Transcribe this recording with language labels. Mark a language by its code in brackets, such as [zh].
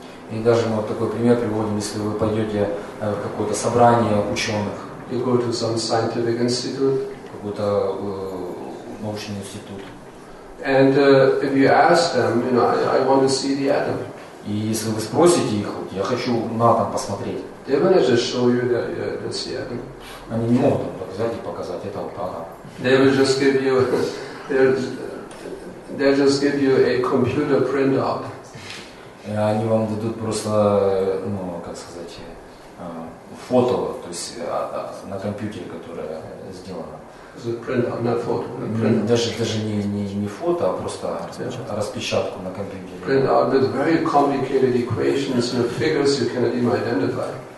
[ru] И даже мы вот такой пример приводим, если вы пойдете в какое-то собрание ученых. [en] You go to some scientific institute. [ru] Какой-то научный институт. [en] And if you ask them, you know, I want to see the atom. [ru] И если вы спросите их, вот, я хочу на атом посмотреть. [en] They will just show you that's the atom. [ru] Они не могут вам взять и показать, это вот атом. [en] They will just give you a computer printout. [ru] Они вам дадут просто, ну, как сказать, фото, то есть на компьютере, которое сделано. Даже не фото, а просто распечатку на компьютере. [en] Printout with very complicated equations and figures you cannot even identify.